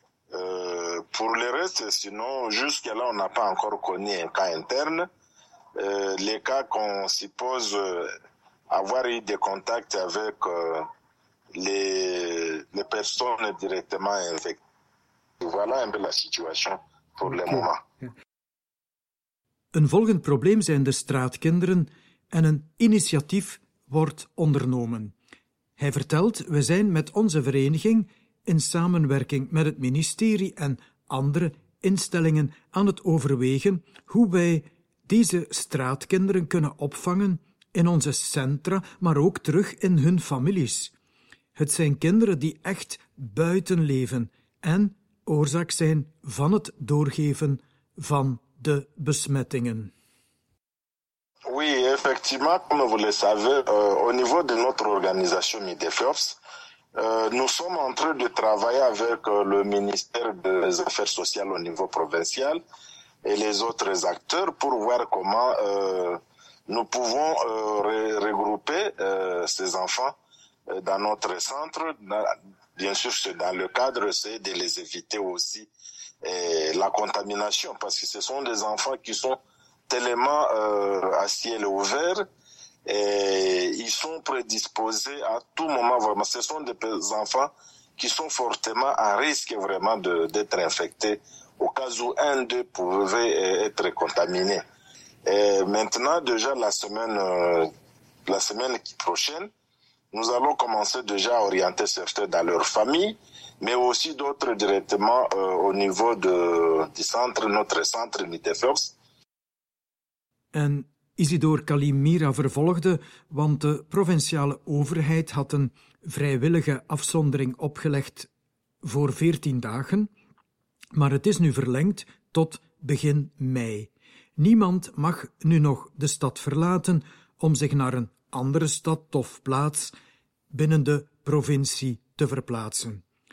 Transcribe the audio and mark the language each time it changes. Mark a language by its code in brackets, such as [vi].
[fr] Pour le reste, sinon, jusqu'à là, on n'a pas encore connu un cas interne. Les cas qu'on suppose avoir eu des contacts avec les personnes directement infectées. Voilà un peu la situation pour le moment. [nl] Een volgend probleem zijn de straatkinderen en een initiatief wordt ondernomen. Hij vertelt, we zijn met onze vereniging in samenwerking met het ministerie en andere instellingen aan het overwegen hoe wij deze straatkinderen kunnen opvangen in onze centra, maar ook terug in hun families. Het zijn kinderen die echt buiten leven en oorzaak zijn van het doorgeven van de besmettingen. [fr] Oui, effectivement, comme vous le savez, au niveau de notre organisation MIDEFIOPS, nous sommes en train de travailler avec le ministère des Affaires sociales au niveau provincial et les autres acteurs pour voir comment nous pouvons regrouper ces enfants dans notre centre. Bien sûr, dans le cadre, c'est de les éviter aussi la contamination, parce que ce sont des enfants qui sont tellement à ciel ouvert et ils sont prédisposés à tout moment. Vraiment, ce sont des enfants qui sont fortement à risque vraiment d'être infectés au cas où un d'eux pouvait être contaminé. Et maintenant, déjà la semaine prochaine, nous allons commencer déjà à orienter certains dans leur famille, mais aussi d'autres directement au niveau du centre, notre centre Unité Force. [nl] En Isidore Kalimira vervolgde, want de provinciale overheid had een vrijwillige afzondering opgelegd voor 14 dagen, maar het is nu verlengd tot begin mei. Niemand mag nu nog de stad verlaten om zich naar een andere stad of plaats binnen de provincie te verplaatsen.